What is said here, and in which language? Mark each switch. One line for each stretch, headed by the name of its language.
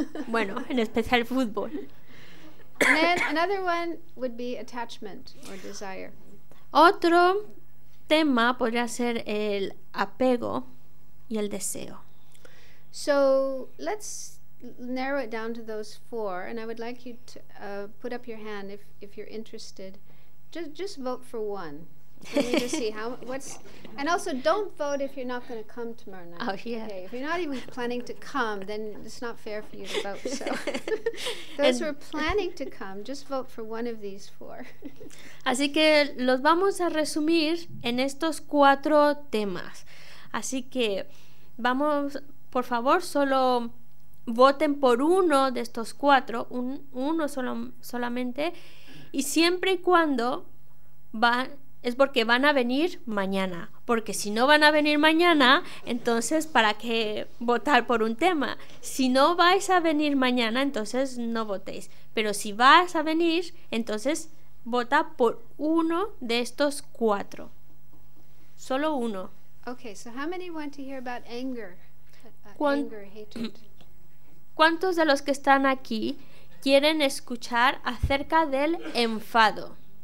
Spanish: Bueno, en especial fútbol.
English: And then another one would be attachment or desire. Otro tema podría ser el apego y el deseo. So let's narrow it down to those four, and I would like you to put up your hand if you're interested. Just vote for one. We need to see and also don't vote if you're not going to come tomorrow night. Oh yeah. Okay. If you're not even planning to come, then it's not fair for you to vote. So those who are planning to come, just vote for one of these four.
Spanish: Así que los vamos a resumir en estos cuatro temas. Así que vamos, por favor, solo voten por uno de estos cuatro, uno solamente, y siempre y cuando es porque van a venir mañana, porque si no van a venir mañana, entonces ¿para qué votar por un tema? Si no vais a venir mañana, entonces no votéis, pero si vas a venir, entonces vota por uno de estos cuatro, solo uno.
English: Okay, so how many want to hear about anger? Anger, hatred.
Spanish: ¿Cuántos de los que están aquí quieren escuchar acerca del enfado?